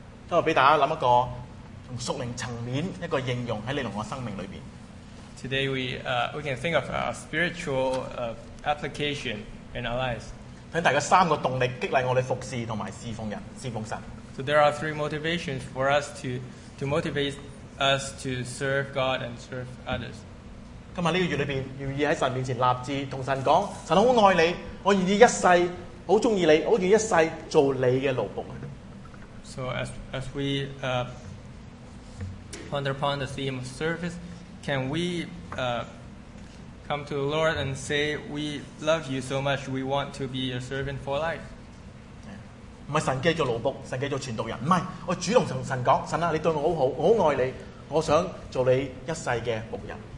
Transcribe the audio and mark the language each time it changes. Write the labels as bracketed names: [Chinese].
[Cantonese] 都俾大家諗一個從屬靈層面一個應用喺你同我生命裏邊。 [English] Today we can think of a spiritual application in our lives. [Cantonese] 俾大家三個動力激勵我哋服侍同埋侍奉人、侍奉神。 [English] So there are three motivations for us to motivate. Us to serve God and serve others. [Cantonese] 今日呢个月里边，愿意喺神面前立志，同神讲：神好爱你，我愿意一世好中意你，我愿意一世做你嘅奴仆。 [English] So as we ponder upon the theme of service, can we come to the Lord and say we love you so much, we want to be your servant for life? [Cantonese] 唔係神繼續勞碌，神繼續傳道人。唔係，我主動同神講：神啊，你對我好好，我好愛你，我想做你一世嘅仆人。